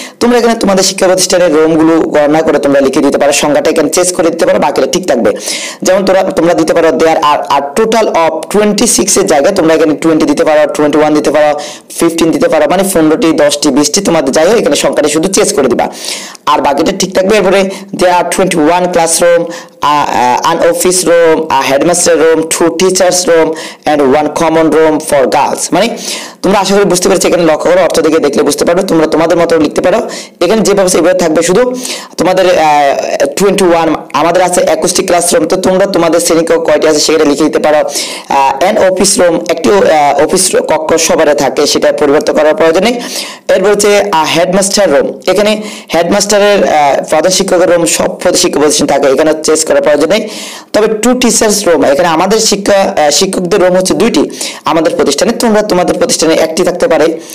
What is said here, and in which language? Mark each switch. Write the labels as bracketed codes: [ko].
[bn] তোমরা এখানে তোমাদের শিক্ষা প্রতিষ্ঠানের রুমগুলো গণনা করে তোমরা লিখে দিতে পারো, সংখ্যাটা এখানে চেঞ্জ করে দিতে পারো, বাকিটা ঠিক থাকবে। যেমন তোমরা দিতে পারো [en] there are are total of 26-এর [bn] জায়গায় তোমরা এখানে 20 দিতে পারো, 21 দিতে পারো, 15 দিতে পারো, মানে 15টি, 10টি, 20টি তোমাদের যাই হোক এখানে সংখ্যাটা শুধু চেঞ্জ করে দিবা আর বাকিটা ঠিক থাকবে। এরপরে [en] There 21 classroom, an office room, a headmaster room, two teachers room, and one common room for girls. [bn] মানে তোমরা আশা করি বুঝতে পেরেছো এখানে লক্ষ্য করো অর্থ দেখে দেখলে বুঝতে পারবে তোমরা তোমাদের মতো লিখতে পারো এখানে যেভাবে সেভাবে থাকবে শুধু তোমাদের 21 আমাদের আছে একুস্টিক ক্লাসরুম তো তোমরা তোমাদের শ্রেণীকক্ষ কয়টি আছে সেটা লিখে দিতে পারো [en] and office room [bn] একটু অফিস কক্ষ সবারে থাকে সেটা পরিবর্তন করার প্রয়োজন নেই এরপর হচ্ছে [en] a headmaster room [bn] এখানে হেডমাস্টারের প্রধান শিক্ষকের রুম সব প্রধান শিক্ষক পজিশন থাকে এখানে চেস করার প্রয়োজন নেই তবে [en] two teachers room [bn] এখানে আমাদের শিক্ষা শিক্ষকদের রুম হচ্ছে দুইটি আমাদের প্রতিষ্ঠানে তোমরা তোমাদের প্রতিষ্ঠানে একটি থাকতে পারে